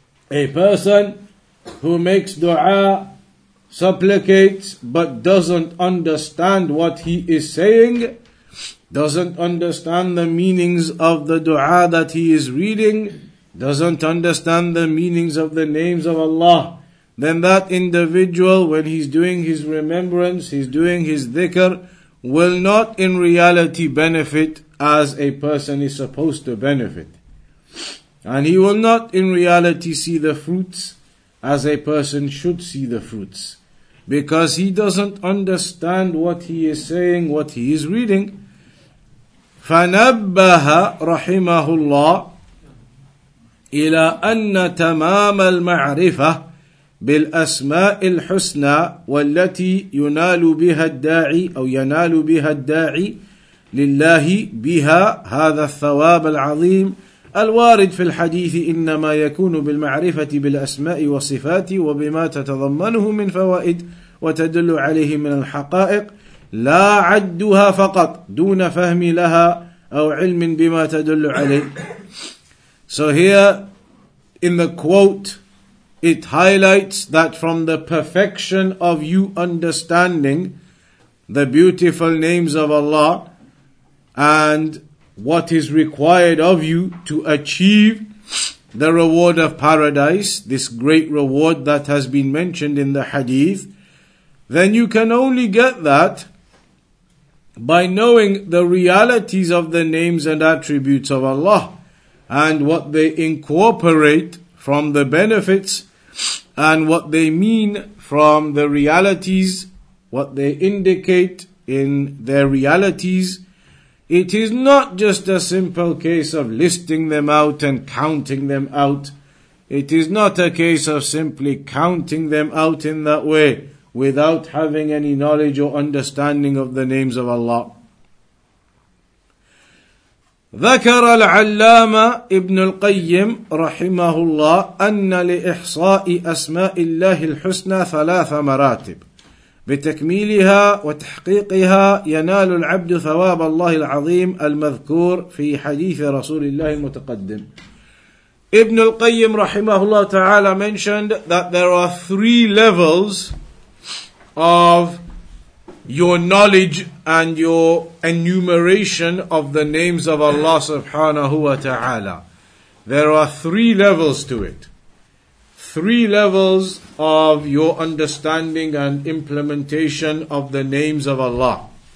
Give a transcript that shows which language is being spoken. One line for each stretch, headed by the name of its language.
English: A person who makes dua, supplicates, but doesn't understand what he is saying, doesn't understand the meanings of the dua that he is reading, doesn't understand the meanings of the names of Allah, then that individual, when he's doing his remembrance, he's doing his dhikr, will not in reality benefit as a person is supposed to benefit. And he will not in reality see the fruits as a person should see the fruits, because he doesn't understand what he is saying, what he is reading.
Arabic: فَنَبَّهَ رَحِمَهُ اللَّهِ إِلَىٰ أَنَّ تَمَامَ الْمَعْرِفَةِ بالأسماء الحسنى والتي ينال بها الداعي أو ينال بها الداعي لله بها هذا الثواب العظيم الوارد في الحديث إنما يكون بالمعرفة بالأسماء والصفات وبما تتضمنه من فوائد وتدل عليه من الحقائق لا عدها فقط دون فهم لها أو علم بما تدل عليه.
English: So here in the quote it highlights that from the perfection of you understanding the beautiful names of Allah and what is required of you to achieve the reward of paradise, this great reward that has been mentioned in the hadith, then you can only get that by knowing the realities of the names and attributes of Allah and what they incorporate from the benefits and what they mean from the realities, what they indicate in their realities. It is not just a simple case of listing them out and counting them out. It is not a case of simply counting them out in that way without having any knowledge or understanding of the names of Allah.
Arabic: ذكر العلامة ابن القيم رحمه الله أن لإحصاء أسماء الله الحسنى ثلاث مراتب بتكميلها وتحقيقها ينال العبد ثواب الله العظيم المذكور في حديث رسول الله المتقدم.
English: ابن القيم
Arabic: رحمه الله تعالى
English: mentioned that there are three levels of your knowledge and your enumeration of the names of Allah subhanahu wa ta'ala. There are three levels to it. Three levels of your understanding and implementation of the names of Allah.